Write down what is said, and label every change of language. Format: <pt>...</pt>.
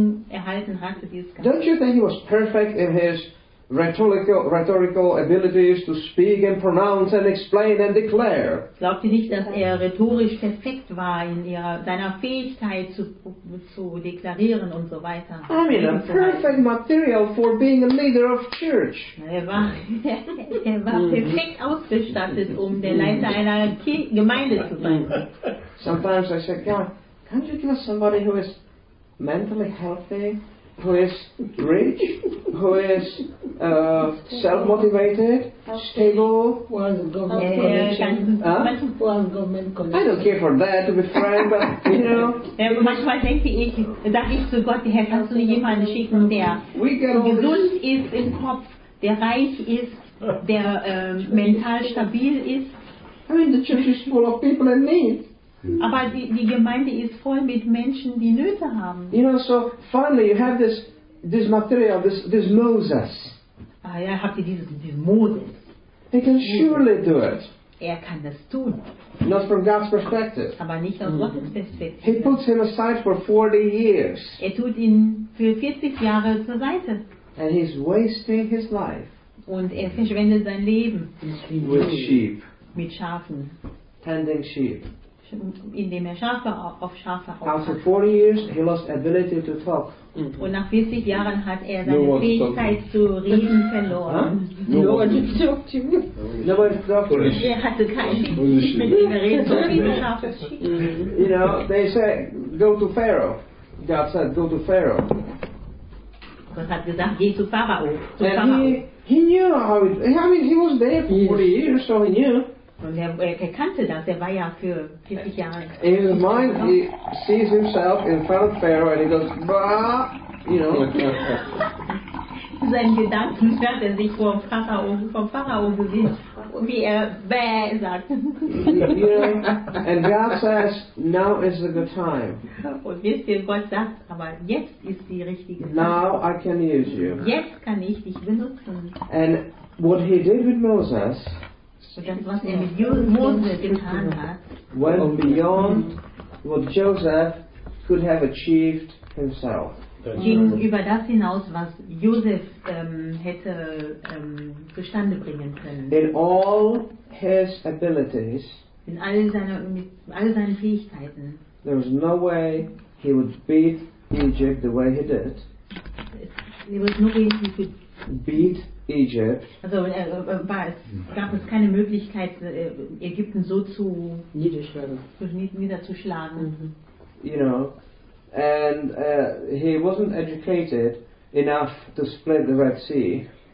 <en>Don't you think he was perfect in his rhetorical abilities to speak and pronounce and explain and declare?</en> <de>Glaubt ihr nicht, dass er rhetorisch perfekt war in seiner Fähigkeit zu deklarieren und so weiter?</de> <en>I mean, a perfect material for being a leader of church.</en> <de>Er war perfekt ausgestattet, um der Leiter einer Gemeinde zu sein.</de> <en>Sometimes I say, God, can't you give us somebody who is mentally healthy? Who is rich, who is self-motivated, stable. Who has a government. I don't care for that, to be frank, but, you know.</en> <de>Manchmal dachte ich zu Gott, Herr, kannst du nicht jemanden schicken, der gesund ist im Kopf, der reich ist, der mental stabil ist.</de> <en>I mean, the church is full of people in need.</en> <de>Aber die Gemeinde ist voll mit Menschen, die Nöte haben.</de> <en>You know, so finally you have this material, this Moses.</en> <de>Ah ja, habt ihr dieses Moses.</de> <en>He can surely do it.</en> <de>Er kann das tun.</de> <en>Not from God's perspective.</en> <de>Aber nicht aus Gottes Perspektive.</de> <en>He puts him aside for 40 years.</en> <de>Er tut ihn für 40 Jahre zur Seite.</de> <en>And he's wasting his life.</en> <de>Und er verschwendet sein Leben.</de> <en>With sheep.</en> <de>Mit Schafen.</de> <en>Tending sheep.</en> <de>Indem er Schafe auf Schafe aufpasst.</de> <en>After 40 years, he lost ability to talk. Mm-hmm.</en> <de>Und nach 40 Jahren hat er seine Fähigkeit zu reden verloren.</de> <en>Huh? No one talked to him.</en> <de>Er hatte keinen Schiff, mit dem er reden konnte.</de> <en>You know, they say, go to Pharaoh. God said, go to Pharaoh.</en> <de>Gott hat gesagt, geh zu Pharao.</de> <en>He was there for 40 years, so he knew.</en> <de>Und er kannte das, er war ja für 40 Jahre.</de> <en>In his mind, he sees himself in front of Pharaoh and he goes, bah,</en> <de>Sein Gedanken hört er sich vom Pharao gesehen, wie er bäh sagt.</de> <en>And God says, now is the good time.</en> <de>Und wisst ihr, Gott sagt, aber jetzt ist die richtige Zeit.</de> <en>Now I can use you.</en> <de>Jetzt kann ich dich benutzen.</de> <en>And what he did with Moses,</en> <de>das, was er mit Moses getan hat,</de> <en>went beyond what Joseph could have achieved himself.</en> <de>gegenüber das hinaus, was Josef hätte zustande bringen können.</de> <en>In all his abilities,</en> <de>in all seinen Fähigkeiten,</de> <en>there was no way he would beat Egypt the way he did. There was no way he could beat Egypt.</en> <de>Also gab es keine Möglichkeit, Ägypten so zu niederzuschlagen.</de> <en>You know, and he wasn't educated enough to split the Red Sea.</en>